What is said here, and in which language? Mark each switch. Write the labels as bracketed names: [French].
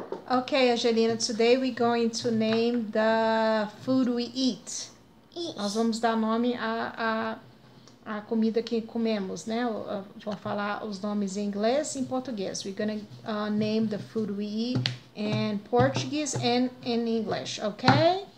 [English] Okay, Angelina, today we're going to name the food we eat. [Portuguese] Nós vamos dar nome a comida que comemos, né? Vou falar os nomes em inglês e em português. [English] We're going to name the food we eat in Portuguese and in English, okay?